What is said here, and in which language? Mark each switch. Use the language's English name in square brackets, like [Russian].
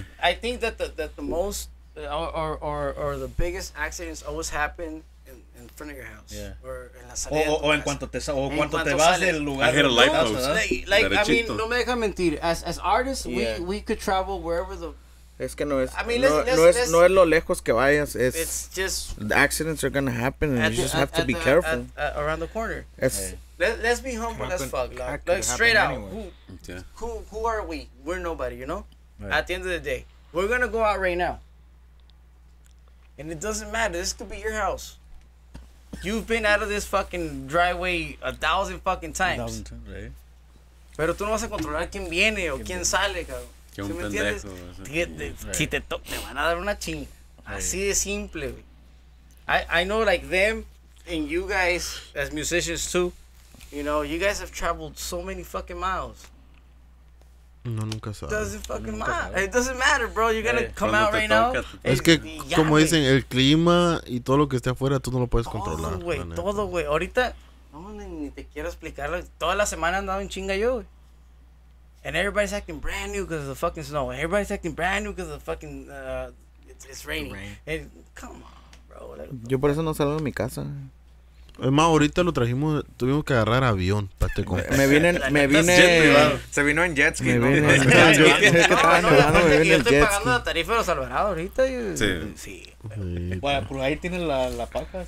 [English] I think that the most or the biggest accidents always happen in front of your house. Yeah. [Spanish] Or en la salida. O en cuanto te o en cuanto te vas del lugar. [English] I hit a light post. Like I mean, [Spanish] no me deja mentir. [English] As artists, yeah, we could travel wherever the... [Spanish] Es que no es, [English] I mean, [Spanish] no es lo lejos que vayas, es... [English] It's just, the accidents are going to happen and you just have to be careful. Around the corner. Yeah. Let's be humble as fuck. Like straight out. Who are we? We're nobody, you know? Right. At the end of the day, we're going to go out right now. And it doesn't matter. This could be your house. You've been out of this fucking driveway 1,000 fucking times. 1,000 times, right? [Spanish] Pero tú no vas a controlar quién viene o quién sale, cabrón. ¿Sí me entiendes? Si te toca, te van a dar una chinga. Right. Así de simple, güey. [English] I know, like, them and you guys as musicians too, you know, you guys have traveled so many fucking miles. [Spanish] No, nunca sabe. [English] Doesn't fucking matter. It doesn't matter, bro. You're gonna come out right now. [Spanish] Es que, como dicen, el clima y todo lo que esté afuera, tú no lo puedes controlar. Todo, güey. Todo, güey. Ahorita, no, ni te quiero explicarlo. Toda la semana andaba en chinga yo, güey. [English] And everybody's acting brand new because of the fucking snow. Everybody's acting brand new because of the fucking, it's raining. And come on, bro. [Spanish] Yo por eso no salgo de mi casa. Es más, ahorita lo trajimos, tuvimos que agarrar avión para este compa. Me vine. Se vino en jet ski. Yo estoy pagando la tarifa de los Alvarados ahorita. Y, sí. Sí. Bueno, por ahí tiene la paca.